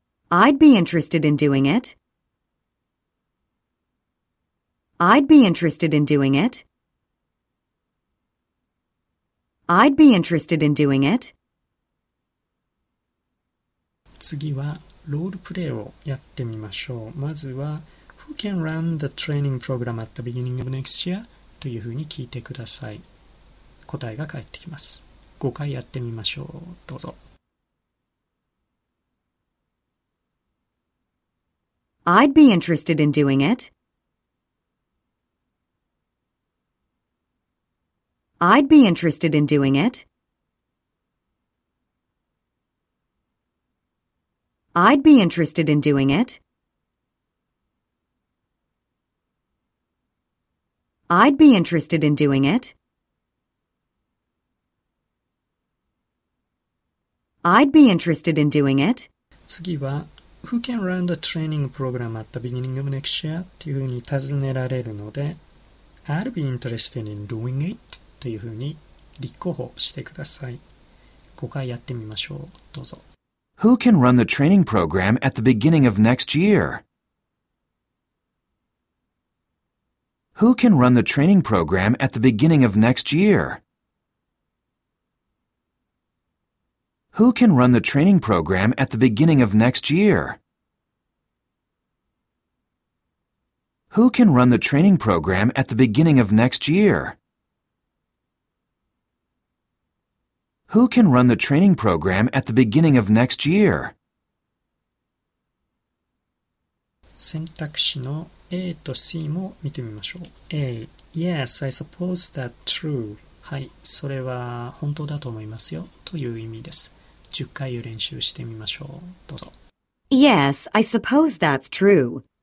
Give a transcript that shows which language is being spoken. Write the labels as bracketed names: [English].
[English] I'd be interested in doing it. I'd be interested in doing it. I'd be interested in doing it. [Japanese] 次はロールプレイをやってみましょう。まずは、 [English] Who can run the training program at the beginning of next year? [Japanese] というふうに聞いてください。答えが返ってきます。5回やってみましょう。どうぞ。 [English] I'd be interested in doing it. I'd be interested in doing it. I'd be interested in doing it. I'd be interested in doing it. I'd be interested in doing it. [Japanese] 次は、 [English] Who can run the training program at the beginning of next year? [Japanese] というふうに尋ねられるので、 [English] I'd be interested in doing it. [Japanese] というふうに立候補してください。 5回やってみましょう。どうぞ。 [English] Who can run the training program at the beginning of next year? Who can run the training program at the beginning of next year? Who can run the training program at the beginning of next year? Who can run the training program at the beginning of next year? Who can run the training program at the beginning of next year? [Japanese] 選択肢の A と C も見てみましょう。 [English] A. Yes, I suppose that's true. [Japanese] はい、それは本当だと思いますよという意味です。 10回を練習してみましょう。どうぞ。 [English] Yes, I suppose that's true.